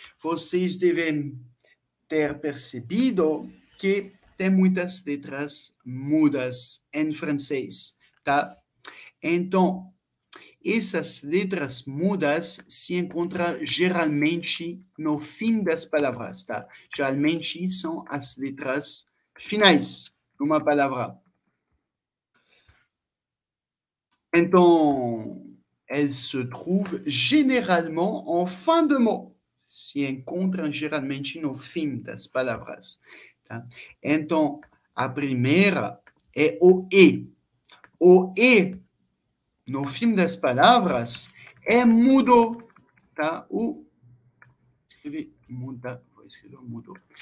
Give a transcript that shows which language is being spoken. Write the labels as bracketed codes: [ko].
[pt] Vocês devem ter percebido que tem muitas letras mudas em francês, tá? Então, essas letras mudas se encontram geralmente no fim das palavras, tá? Geralmente são as letras finais de uma palavra. [fr] Então, elles se trouvent généralement en fin de mot. [pt] Se encontram geralmente no fim das palavras, tá? Então, a primeira é o E. O E no fim das palavras, é mudo, tá? Vou escrever mudo.